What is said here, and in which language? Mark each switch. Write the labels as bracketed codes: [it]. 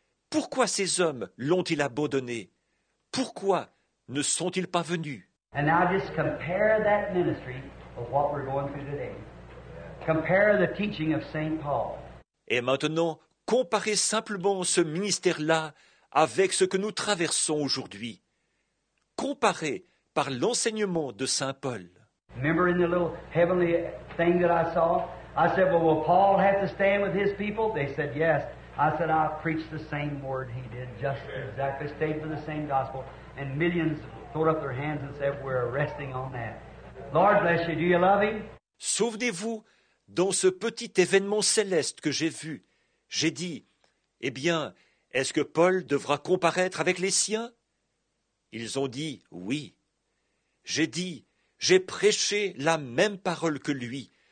[fr] Pourquoi ces hommes l'ont-ils abandonné? Pourquoi ne sont-ils pas venus? [en] And now just compare that ministry of what we're going through today. Compare the teaching of Saint Paul. [fr] Et maintenant, comparez simplement ce ministère-là avec ce que nous traversons aujourd'hui. Comparez par l'enseignement de saint Paul. [en] Remember in the little heavenly thing that I saw? I said, well, will Paul have to stand with his people? They said, yes. I said, I preached the same word he did, just exactly, stayed for the same gospel, and millions throw up their hands and say, we're resting on that. Lord bless you. Do you love him? [fr] Souvenez-vous, dans ce petit événement céleste que j'ai vu, j'ai dit, eh bien, est-ce que Paul devra comparaître avec les siens? Ils ont dit, oui. J'ai dit, j'ai prêché la même parole que lui.